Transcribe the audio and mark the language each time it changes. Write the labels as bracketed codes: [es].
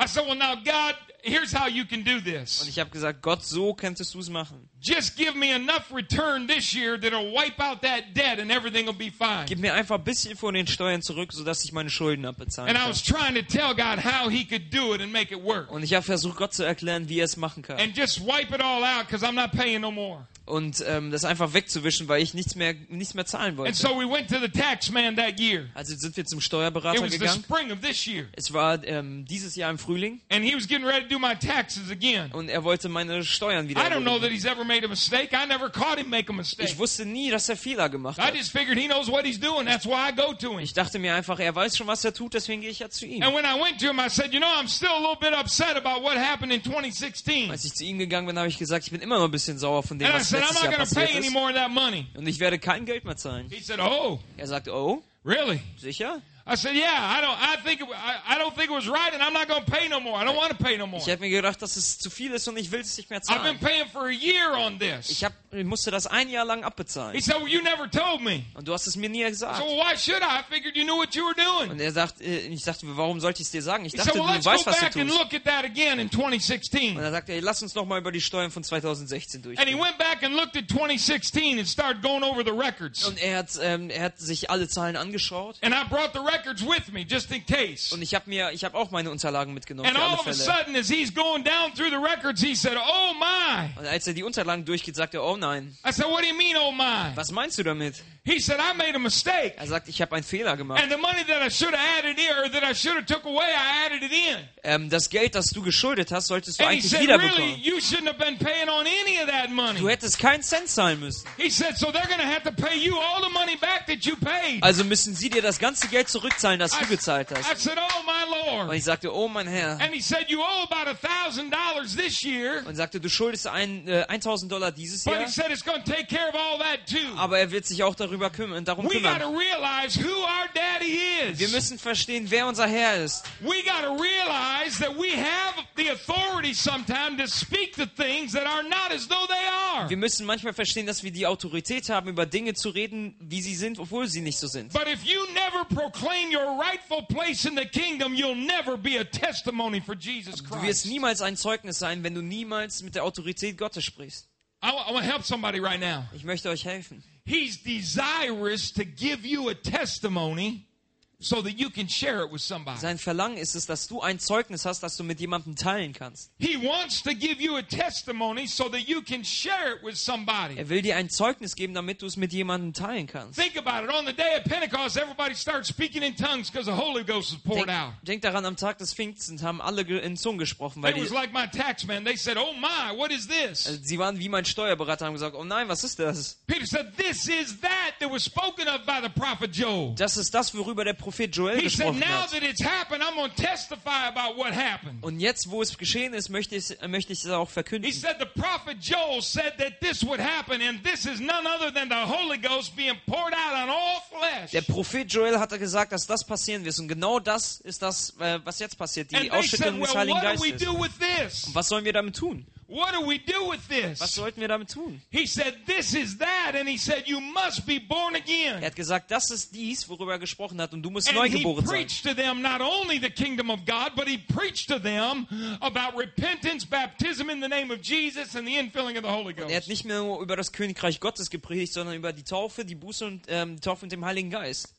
[en] I said, well, now God, here's how you can do this. [de] Und ich habe gesagt, Gott, so könntest du es machen. [en] Just give me enough return this year that'll wipe out that debt and everything will be fine. [de] Gib mir einfach ein bisschen von den Steuern zurück, sodass ich meine Schulden abbezahlen kann. [en] And I was trying to tell God how he could do it and make it work. [de] Und ich habe versucht, Gott zu erklären, wie er es machen kann. [en] And just wipe it all out because I'm not paying no more. [de] Und das einfach wegzuwischen, weil ich nichts mehr zahlen wollte. [en] And so we went to the tax man that year. [de] Also sind wir zum Steuerberater gegangen. [en] It was the spring of this year. [de] Es war dieses Jahr im Frühling. [en] And he was getting ready to do my taxes again. [de] Und er wollte meine Steuern wieder. [en] I don't know that he's ever made a mistake. I never caught him make a mistake. [de] Ich wusste nie, dass er Fehler gemacht hat. [en] I just figured he knows what he's doing. That's why I go to him. [de] Ich dachte mir einfach, er weiß schon, was er tut, deswegen gehe ich ja zu ihm. [en] And when I went to him, I said, you know, I'm still a little bit upset about what happened in 2016. [de] Als ich zu ihm gegangen bin, habe ich gesagt, ich bin immer noch ein bisschen sauer von dem, was [en] And I'm not going to pay any more of that money. [de] Und ich werde kein Geld mehr zahlen. [en] He said, "Oh." [de] Er sagt, "Oh." [en] Really? [de] Sicher? [en] I said, "Yeah. I don't think it was right, and I'm not going to pay no more. I don't want to pay no more." [de] Ich habe mir gedacht, dass es zu viel ist und ich will es nicht mehr zahlen. [en] I've been paying for a year on this. [de] Ich musste das ein Jahr lang abbezahlen. [en] He said, "Well, you never told me." [de] Und du hast es mir nie gesagt. [en] So why should I? I figured you knew what you were doing. [de] Und ich sagte, warum sollte ich es dir sagen? Ich dachte, [en] said, well, [de] du weißt, was du tust. [en] Let's go back and look at that again in 2016. [de] Und er sagte, hey, lass uns noch mal über die Steuern von 2016 durchgehen. [en] And he went back and looked at 2016 and started going over the records. [de] Und er hat sich alle Zahlen angeschaut. [en] And I brought the records with me just in case. [de] Und ich habe auch meine Unterlagen mitgenommen. [en] And all of [de] Fälle. [en] A sudden, as he's going down through the records, he said, "Oh my!" [de] Und als er die Unterlagen durchgeht, sagte er, oh nein. [en] I said, what do you mean, oh my? [de] Was meinst du damit? [en] He said, I made a mistake. [de] Er sagt, ich habe einen Fehler gemacht. [en] And the money that I should have added in, or that I should have took away, I added it in. [de] Das Geld, das du geschuldet hast, solltest du [en] And [de] eigentlich [en] said, [de] wiederbekommen. [en] Really, you shouldn't have been paying on any of that money. [de] Du hättest keinen Cent zahlen müssen. [en] He said, so they're gonna have to pay you all the money back that you paid. [de] Also müssen sie dir das ganze Geld zurückzahlen, das du gezahlt hast. [en] I said, oh my Lord. [de] Und ich sagte, oh mein Herr. [en] And he said, you owe about $1,000 this year. [de] Und sagte, du schuldest $1,000 dieses Jahr. [en] But he said, it's gonna take care of all that too. [de] Aber er wird sich auch darum [en] We gotta realize who our daddy is. [de] Wir müssen verstehen, wer unser Herr ist. [en] We gotta realize that we have the authority sometimes to speak to things that are not as though they are. [de] Wir müssen manchmal verstehen, dass wir die Autorität haben, über Dinge zu reden, wie sie sind, obwohl sie nicht so sind. [en] But if you never proclaim your rightful place in the kingdom, you'll never be a testimony for Jesus Christ. [de] Du wirst niemals ein Zeugnis sein, wenn du niemals mit der Autorität Gottes sprichst. [en] I want to help somebody right now. [de] Ich möchte euch helfen. [en] He's desirous to give you a testimony so that you can share it with somebody. [de] Sein Verlangen ist es, dass du ein Zeugnis hast, das du mit jemandem teilen kannst. [en] He wants to give you a testimony so that you can share it with somebody. [de] Er will dir ein Zeugnis geben, damit du es mit jemandem teilen kannst. [en] Think about it. On the day of Pentecost, everybody starts speaking in tongues because the Holy Ghost is poured out. [de] Denk daran, am Tag des Pfingstens haben alle in Zungen gesprochen, weil [en] It was like my tax man. They said, "Oh my, what is this?" [de] Sie waren wie mein Steuerberater, haben gesagt, "Oh nein, was ist das?" [en] Peter said, "This is that that was spoken of by the prophet Joel." [de] Das ist das, worüber der Prophet Joel [en] He said, "Now that it's happened, I'm going to testify about what happened." [de] Und jetzt, wo es geschehen ist, möchte ich es auch verkünden. [en] He said, "The prophet Joel said that this would happen, and this is none other than the Holy Ghost being poured out on all flesh." [de] Der Prophet Joel hatte gesagt, dass das passieren wird, und genau das ist das, was jetzt passiert, die Ausschüttung des Heiligen Geistes. [en] And they said, "Well, what do we do with this?" [de] Und was sollen wir damit tun? [en] What do we do with this? [de] Was sollten wir damit tun? [en] He said, "This is that," and he said, "You must be born again." [de] Er hat gesagt, das ist dies, worüber er gesprochen hat, und du musst neugeboren sein. [en] And he preached to them not only the kingdom of God, but he preached to them about repentance, baptism in the name of Jesus, and the infilling of the Holy Ghost. [de] Er hat nicht mehr nur über das Königreich Gottes gepredigt, sondern über die Taufe, die Buße und Taufe mit dem Heiligen Geist.